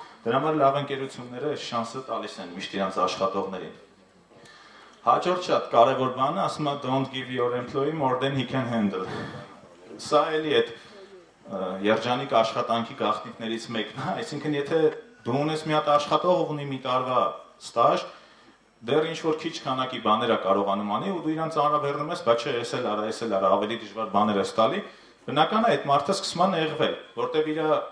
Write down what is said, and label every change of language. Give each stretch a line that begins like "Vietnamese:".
Armenian: Դրա համար լավ ընկերությունները շանսը տալիս են միշտ իրանց աշխատողներին. Հաջորդ շատ կարևոր բանը, ասում է
English: don't give your employee more than he can handle.
Armenian: Սա էլի այդ երջանիկ աշխատանքի գաղտնիքներից մեկն է, այսինքն եթե դու ունես մի հատ աշխատող ունի մի տարվա ստաժ, դեռ ինչ-որ քիչ քանակի բաներ է կարողանում անի ու դու իրանց առաջերնում ես, բայց չէ, ես էլ արա, ավելի դժվար բաներ ես տալի, բնական է այդ մարդը սկսում է նեղվել, որտեվ իրա